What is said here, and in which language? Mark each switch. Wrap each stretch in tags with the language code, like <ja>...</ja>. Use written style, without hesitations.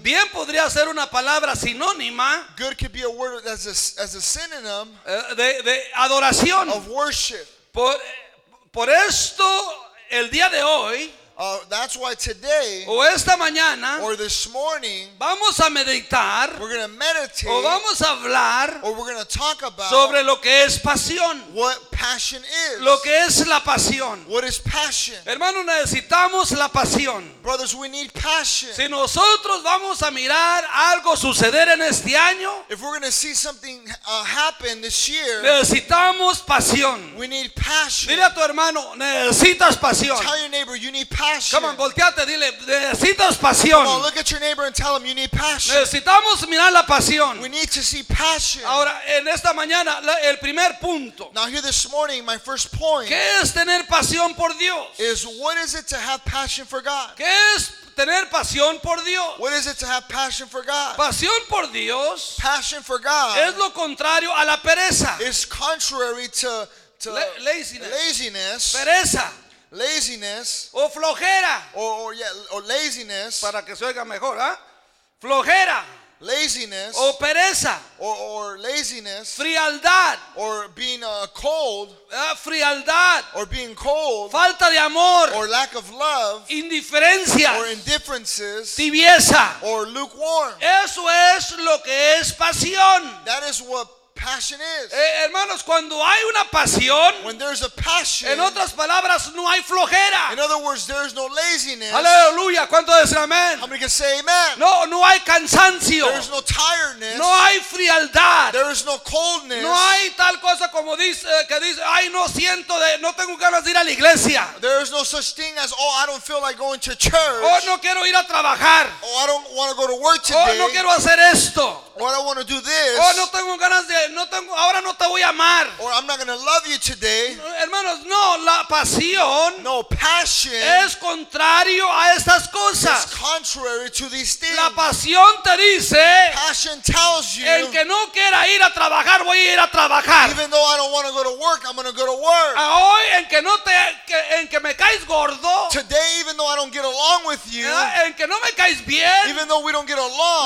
<es>bien podría ser una palabra sinónima,</es> <en>good could be a word as a synonym,</en> <es>de adoración,</es> <en>of worship.</en> <es>Por esto, el día de hoy,</es> <en>that's why today,</en> <es>o esta mañana,</es> <en>or this morning,</en> <es>vamos a meditar,</es> <en>we're going to meditate,</en> <es>o vamos a hablar,</es> <en>or we're going to talk about,</en> <es>sobre lo que es pasión,</es> <en>what passion is,</en> <es>lo que es la pasión,</es> <en>what is passion.</en> <es>Hermanos, necesitamos la pasión.</es> <en>Brothers, we need passion.</en> <es>Si nosotros vamos a mirar algo suceder en este año,</es> <en>if we're going to see something happen this year,</en> <es>necesitamos pasión.</es> <en>We need passion.</en> <es>Dile a tu hermano, necesitas pasión.</es> <en>Tell your neighbor, you need passion. Come on,</en> <es>volteate, dile, necesitas pasión.</es> <en>Come on, look at your neighbor and tell him you need passion.</en> <es>Necesitamos mirar la pasión.</es> <en>We need to see passion.</en> <es>Ahora, en esta mañana, el primer punto.</es> <en>Now here this morning, my first point.</en> <es>¿Qué es tener pasión por Dios?</es> <en>Is what is it to have passion for God?</en> <es>¿Qué es tener pasión por Dios?</es> <en>What is it to have passion for God?</en> <es>Pasión por Dios.</es> <en>Passion for God.</en> <es>Es lo contrario a la pereza.</es> <en>Is contrary to laziness. Laziness.</en> <es>Pereza.</es> <en>Laziness,</en> <es>o flojera,</es> <en>or laziness,</en> <es>para que se oiga mejor, ¿eh? Flojera,</es> <en>laziness,</en> <es>o pereza,</es> <en>or laziness,</en> <es>frialdad,</es> <en>or being cold,</en> <es>frialdad,</es> <en>or being cold,</en> <es>falta de amor,</es> <en>or lack of love,</en> <es>indiferencia,</es> <en>or indifferences,</en> <es>tibieza,</es> <en>or lukewarm.</en> <es>Eso es lo que es pasión.</es> <en>That is what passion is.</en> <es>Hermanos, cuando hay una pasión,</es> <en>when there's a passion,</en> <es>en otras palabras, no hay flojera.</es> <en>In other words, there's no laziness.</en> <es>Aleluya, ¿cuánto dicen amén?</es> <en>How many can say amen?</en> <es>No hay cansancio.</es> <en>There's no tiredness.</en> <es>No hay frialdad.</es> <en>There's no coldness.</en> <es>No hay tal cosa como dice, ay, no siento de, no tengo ganas de ir a la iglesia.</es> <en>There's no such thing as, oh, I don't feel like going to church.</en> <es>Oh, no quiero ir a trabajar.</es> <en>Oh, I don't want to go to work today.</en> <es>Oh, no quiero hacer esto.</es> <en>What I want to do this.</en> <es>Oh, no tengo ganas de, no tengo, ahora no te voy a amar.</es> <en>Or I'm not going to love you today.</en> <es>Hermanos, no, la pasión.</es> <en>No, passion.</en> <es>Es contrario a estas cosas.</es> <en>It's contrary to these things.</en> <es>La pasión te dice.</es> <en>Passion tells you.</en> <es>El que no quiera ir a trabajar, voy a ir a trabajar.</es> <en>Even though I don't want to go to work, I'm going to go to work.</en> <es>Hoy, en que no te, en que me caes gordo.</es> <en>Today, even though I don't get along with you.</en> <es>En que no me caes bien.</es> <en>Even though we don't get along.</en>